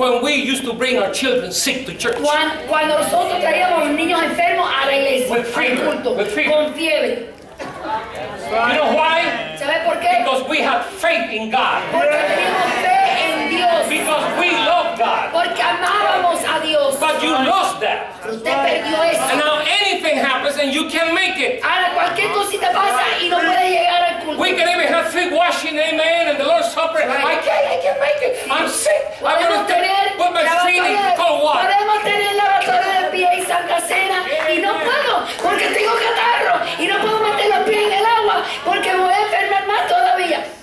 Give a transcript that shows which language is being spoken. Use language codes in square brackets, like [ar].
[en] When we used to bring our children sick to church. [es] Cuando nosotros traíamos niños enfermos a la iglesia. [en] With fever. [es] Culto, [en] with fever. [es] Con fiebre. [en] You know why? [es] ¿Sabe por qué? [en] Because we have faith in God. [es] Porque teníamos fe en Dios. [en] Because we love God. [es] Porque amábamos a Dios. [en] But you lost that. [es] Pero usted perdió eso. [en] And now anything happens and you can't make it. [es] Ahora cualquier cosita pasa y no puedes llegar al culto. [en] We can even have feet washing, amen, and the Lord's Supper. Right. I can't make it. I'm sick. [es] Podemos tener lavatorio de pie y Santa Cena y no puedo porque tengo catarro y no puedo meter los pies en el agua porque me voy a enfermar más todavía.